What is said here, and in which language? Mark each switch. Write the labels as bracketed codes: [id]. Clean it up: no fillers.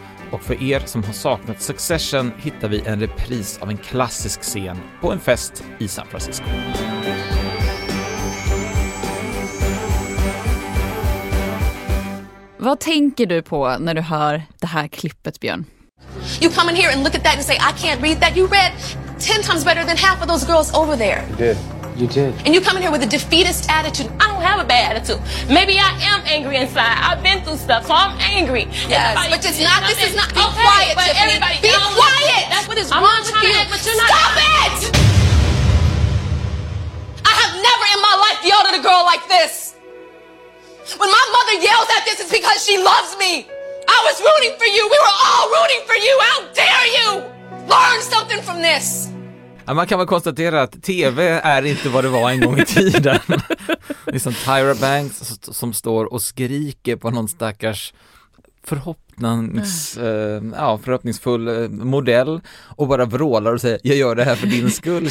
[sv] Och för er som har saknat Succession hittar vi en repris av en klassisk scen på en fest i San Francisco. Vad tänker du på när du hör det här klippet, Björn? [en] You come in here and look at that and say I can't read that. You read 10 times better than half of those girls over there. You did. And you come in here with a defeatist attitude. I don't have a bad attitude. Maybe I am angry inside. I've been through stuff, so I'm angry. Yes, but it's not. This is not. Be quiet, Tiffany. Be quiet. That's what is wrong with you. Stop it! I have never in my life yelled at a girl like this. When my mother yells at this, it's because she loves me. I was rooting for you. We were all rooting for you. How dare you? Learn something from this. [sv] Man kan väl konstatera att TV är inte vad det var en gång i tiden. Det är som Tyra Banks som står och skriker på någon stackars förhoppningsfull modell och bara vrålar och säger jag gör det här för din skull.